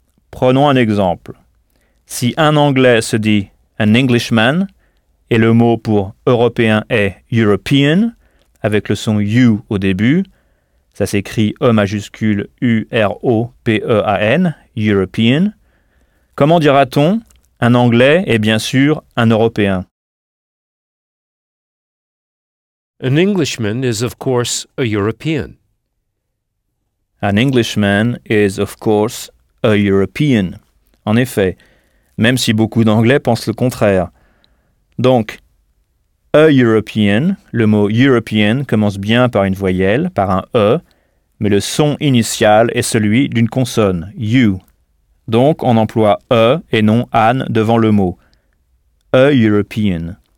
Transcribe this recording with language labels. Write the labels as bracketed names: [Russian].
[French] Prenons un exemple. Si un Anglais se dit an Englishman et le mot pour européen est European avec le son U au début, ça s'écrit E majuscule European, European. Comment dira-t-on un Anglais et bien sûr un Européen? [English] An Englishman is of course a European. An Englishman is of course a European. [French] En effet, même si beaucoup d'Anglais pensent le contraire. Donc, a European, le mot European commence bien par une voyelle, par un E, mais le son initial est celui d'une consonne, U. Donc, on emploie e et non an devant le mot. A European.